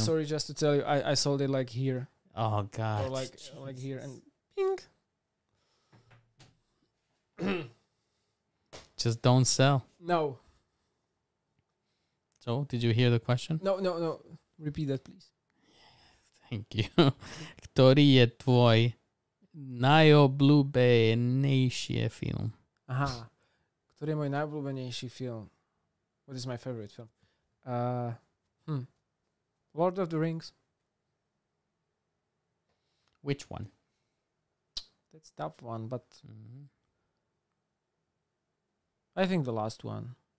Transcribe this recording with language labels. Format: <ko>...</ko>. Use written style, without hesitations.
<en>Sorry, just to tell you, I sold it like here. Oh, God. Or like here and ping. Just don't sell. No. So, did you hear the question? No, no, no. Repeat that, please. Thank you.</en> <sk>Kto je tvoj najobľúbenejší film? Aha. Kto je môj najobľúbenejší film?</sk> <en>What is my favorite film? Lord of the Rings. Which one? That's a tough one, but... Mm-hmm. I think the last one.</en>